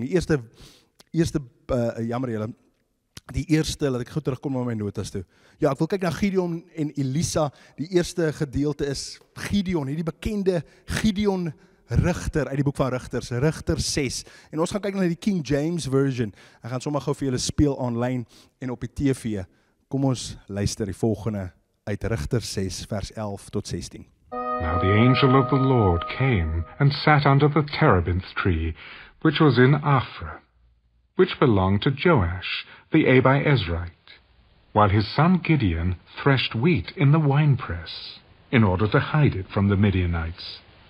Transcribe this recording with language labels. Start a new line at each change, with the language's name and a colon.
Afrikaans: Die eerste, laat ek goed terugkom na my notas toe. Ja, ek wil kyk na Gideon en Elisa. Die eerste gedeelte is Gideon, hierdie bekende Gideon Rigter uit die boek van Rigters, Rigter 6. En ons gaan kyk na die King James Version. Ek gaan sommer gou vir julle speel online en op die TV. Kom ons luister die volgende uit Rigter 6 vers 11 tot 16.
English: Now the angel of the Lord came and sat under the terebinth tree, which was in Ophrah, which belonged to Joash, the Abiezrite, while his son Gideon threshed wheat in the winepress, in order to hide it from the Midianites.